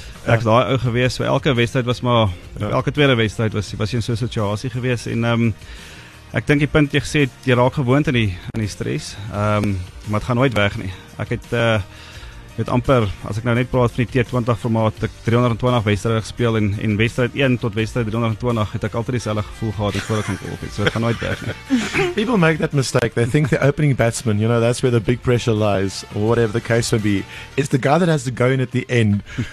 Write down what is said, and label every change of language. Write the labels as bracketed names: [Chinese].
[Afrikaans] Ek is daar ou gewees, so elke wedstrijd was maar, elke tweede wedstrijd was jy in so'n situasie gewees, en ek dink die punt jy gesê, jy raak gewoond in die stress, maar het gaan nooit weg nie. Ek het met amper, as ek nou net praat van die T20 formaat, ek 320 wedstrijd gespeel, en wedstrijd 1 tot wedstrijd 320 het ek altyd dieselfde gevoel gehad, voor ek gaan kolf het, so het gaan nooit weg nie. [English] People make that mistake, they think the opening batsman, you know, that's where the big pressure lies, or whatever the case may be, it's the guy that has to go in at the end.